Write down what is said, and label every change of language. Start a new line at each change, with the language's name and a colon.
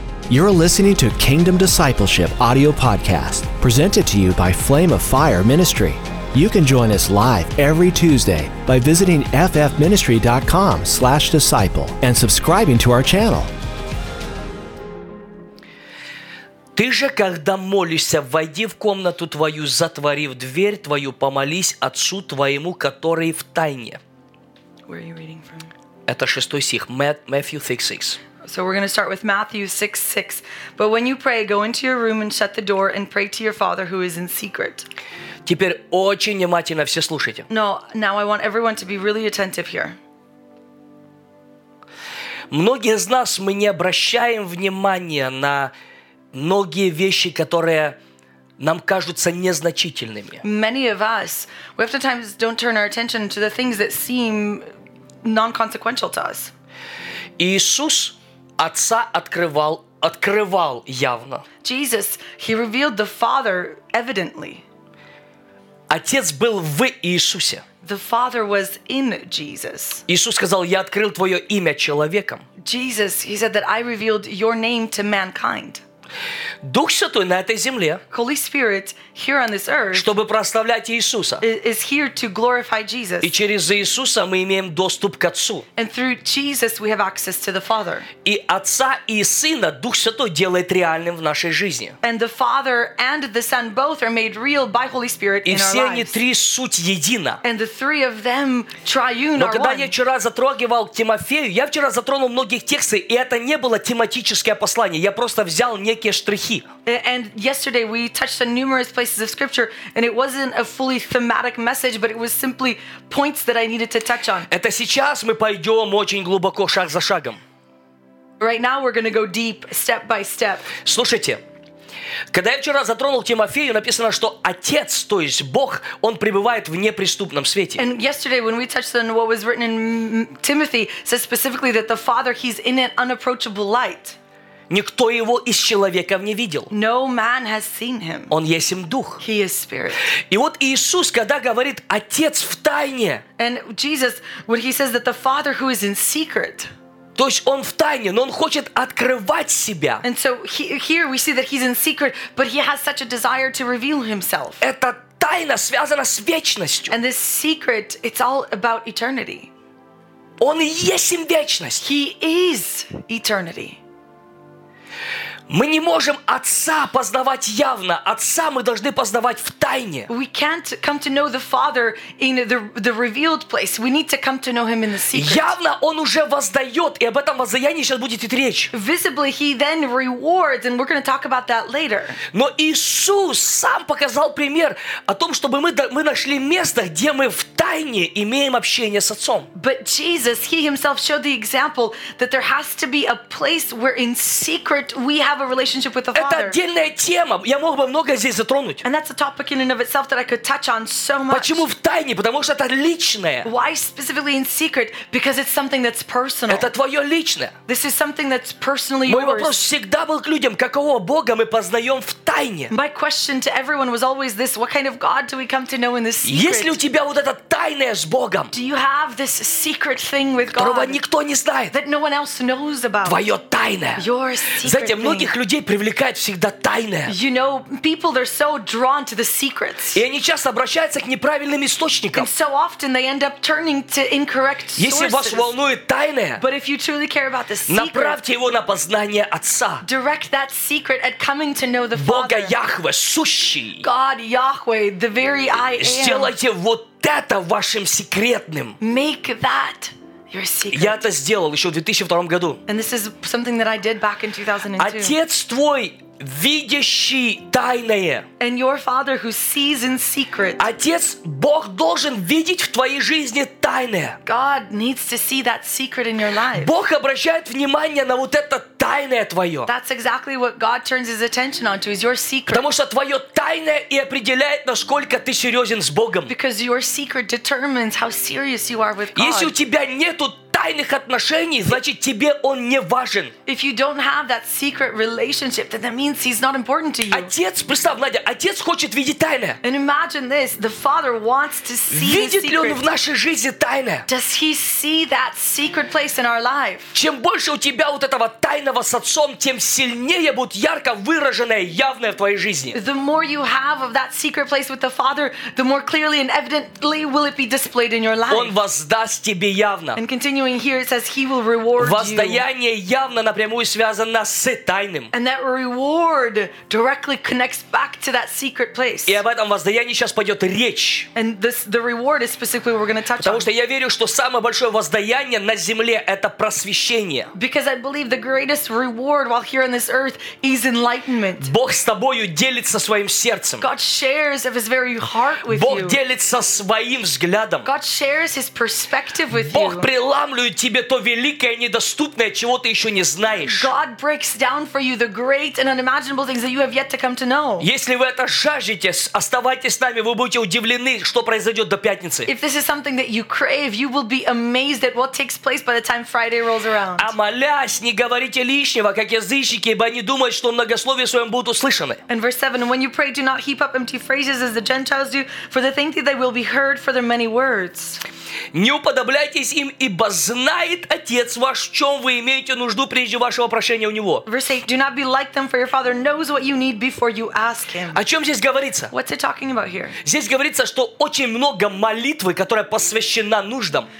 English: You're listening to Kingdom Discipleship Audio Podcast, presented to you by Flame of Fire Ministry. You can join us live every Tuesday by visiting ffministry.com/disciple and subscribing to our channel.
Russian: Ты же, когда молишься, войди в комнату твою, затворив дверь твою, помолись Отцу твоему, который в тайне.
English: Where are you reading from?
Russian: Это шестой стих, Matthew 6:6.
English: So we're going to start with Matthew 6:6. But when you pray, go into your room and shut the door and pray to your Father who is in secret.
Russian: Теперь очень внимательно все слушайте.
English: No, now I want everyone to be really attentive here.
Russian: Многие из нас, мы не обращаем внимания на многие вещи, которые нам кажутся незначительными.
English: Many of us, we oftentimes don't turn our attention to the things that seem non-consequential to us.
Russian: Иисус Отца открывал явно.
English: Jesus, he revealed the Father evidently.
Russian: Отец был в Иисусе.
English: The Father was in Jesus.
Russian: Иисус сказал, я открыл твое имя человеком.
English: Jesus, he said that I revealed your name to mankind.
Russian: Дух Святой на этой земле,
English: Holy Spirit, here on this earth,
Russian: чтобы прославлять Иисуса,
English: is here to glorify Jesus.
Russian: И через Иисуса мы имеем доступ к Отцу.
English: And through Jesus we have access to the Father.
Russian: И Отца и Сына Дух Святой делает реальным в нашей жизни.
English: And the Father and the Son both are made real by Holy Spirit in our lives.
Russian: И все они три суть едина.
English: And the three of them triune.
Russian: Но когда я вчера затрагивал Тимофею, я вчера затронул многих текстов, и это не было тематическое послание. Я просто взял некие штрихи.
English: And yesterday we touched on numerous places of scripture, and it wasn't a fully thematic message, but it was simply points that I needed to touch on.
Russian: Это сейчас мы пойдем очень глубоко, шаг за шагом.
English: Right now we're going to go deep, step by step.
Russian: Слушайте, когда я вчера затронул Тимофею, написано, что Отец, то есть Бог, Он пребывает в неприступном свете.
English: And yesterday when we touched on what was written in Timothy, it says specifically that the Father, He's in an unapproachable light.
Russian: Никто его из человеков не видел.
English: No man has seen him.
Russian: Он есть им Дух.
English: He is Spirit.
Russian: И вот Иисус, когда говорит «Отец в тайне»,
English: and Jesus, when he says that the Father who is in secret,
Russian: то есть Он в тайне, но Он хочет открывать себя.
English: And so here we see that he's in secret, but he has such a desire to reveal himself.
Russian: Эта тайна связана с вечностью.
English: And this secret, it's all about eternity.
Russian: Он и есть им вечность.
English: He is eternity.
Russian: Мы не можем Отца познавать явно. Отца мы должны познавать в тайне.
English: We can't come to know the Father in the revealed place. We need to come to know Him in the secret.
Russian: Явно Он уже воздает, и об этом воздаянии сейчас будет идти речь.
English: Visibly He then rewards, and we're going to talk about that later.
Russian: Но Иисус сам показал пример о том, чтобы мы нашли место, где мы в тайне имеем общение с Отцом.
English: But Jesus, He Himself showed the example that there has to be a place where in secret we have a relationship with the Father.
Russian: Это отдельная тема. Я мог бы много здесь затронуть.
English: And that's a topic in and of itself that I could touch on so much.
Russian: Почему в тайне? Потому что это личное.
English: Why specifically in secret? Because it's something that's personal.
Russian: Это твое личное.
English: This is something that's personally
Russian: мой
English: yours.
Russian: Мой вопрос всегда был к людям: какого Бога мы познаем в тайне?
English: My question to everyone was always this: what kind of God do we come to know in the secret?
Russian: Есть ли у тебя вот это тайное с Богом?
English: Do you have this secret thing with God?
Russian: Которого никто не знает.
English: That no one else knows about.
Russian: Твое тайное.
English: Your secret.
Russian: Знаете, многих людей привлекает всегда тайное.
English: You know, people are so drawn to the secrets.
Russian: И они часто обращаются к неправильным источникам.
English: And so often they end up turning to incorrect sources.
Russian: Если вас волнует тайное,
English: but if you truly care about the secret,
Russian: направьте его на познание Отца.
English: Direct that secret at coming to know the Father.
Russian: Бога Яхве, сущий.
English: God Yahweh, the very I am.
Russian: Сделайте вот это вашим секретным.
English: Make that. Your secret.
Russian: Я это сделал еще в 2002 году.
English: And this is something that I did back in 2002.
Russian: Отец твой, видящий тайное.
English: And your Father who sees in secret.
Russian: Отец, Бог должен видеть в твоей жизни тайное.
English: God needs to see that secret in your life.
Russian: Бог обращает внимание на вот это тайное твое.
English: That's exactly what God turns his attention onto, is your secret.
Russian: Потому что твое тайное и определяет, насколько ты серьезен с Богом.
English: Because your secret determines how serious you are with God.
Russian: Если у тебя нету тайны, тайных отношений, значит, тебе он не важен.
English: If you don't have that secret relationship, then that means he's not important to you.
Russian: Отец, представь, Надя, отец хочет видеть тайное.
English: And imagine this, the father wants to see the secret.
Russian: Видит ли он в нашей жизни тайное?
English: Does he see that secret place in our life?
Russian: Чем больше у тебя вот этого тайного с отцом, тем сильнее будет ярко выраженное, явное в твоей жизни.
English: The more you have of that secret place with the father, the more clearly and evidently will it be displayed in your life.
Russian: Он воздаст тебе явно.
English: And continuing here, it says he will reward
Russian: Воздаяние
English: you.
Russian: Явно напрямую связано с тайным.
English: And that reward directly connects back to that secret place.
Russian: И об этом воздаянии сейчас пойдет речь.
English: And this, the reward is specifically we're going to touch
Russian: Потому что я верю, что самое большое воздаяние на земле это просвещение.
English: Because I believe the greatest reward while here on this earth is enlightenment.
Russian: Бог с тобою делится своим сердцем.
English: God shares of his very heart with
Russian: Бог
English: you.
Russian: Бог делится своим взглядом.
English: God shares his perspective with
Russian: Бог
English: you.
Russian: Преламливает тебе то великое, недоступное, чего ты еще не знаешь.
English: God breaks down for you the great and unimaginable things that you have yet to come to know.
Russian: Если вы это жаждете, оставайтесь с нами, вы будете удивлены, что произойдет до пятницы.
English: If this is something that you crave, you will be amazed at what takes place by the time Friday rolls around.
Russian: А молясь, не говорите лишнего, как язычники, ибо они думают, что многословие своем будут услышаны.
English: And verse 7, when you pray, do not heap up empty phrases as the Gentiles do, for they think that they will be heard for their many words.
Russian: Не уподобляйтесь им, ибо знает Отец ваш, в чем вы имеете нужду прежде вашего прошения у Него.
English: Verse 8, do not be like them, for your Father knows what you need before you ask Him.
Russian: О чем здесь говорится?
English: What's it talking about here?
Russian: Здесь говорится, что очень много молитвы, которая посвящена нуждам.